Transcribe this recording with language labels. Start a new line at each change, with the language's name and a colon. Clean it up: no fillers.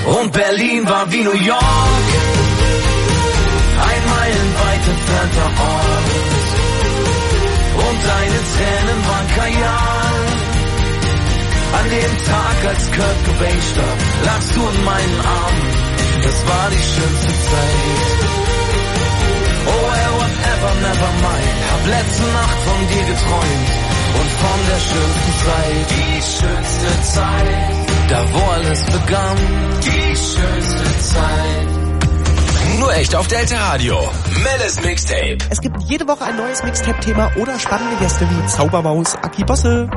German: Berlin war wie New York, ein meilenweit entfernter Ort. Und deine Tränen waren Kajal. An dem Tag, als Kurt Cobain starb, lagst du in meinen Armen. Das war die schönste Zeit.
English: Oh, well, whatever, never mind.
German: Hab letzte Nacht von dir geträumt und von der schönsten Zeit. Die schönste Zeit. Da wo alles begann, die schönste Zeit. Nur echt auf Delta Radio. Melles Mixtape. Es gibt jede Woche ein neues Mixtape-Thema oder spannende Gäste wie Zaubermaus Aki Bosse.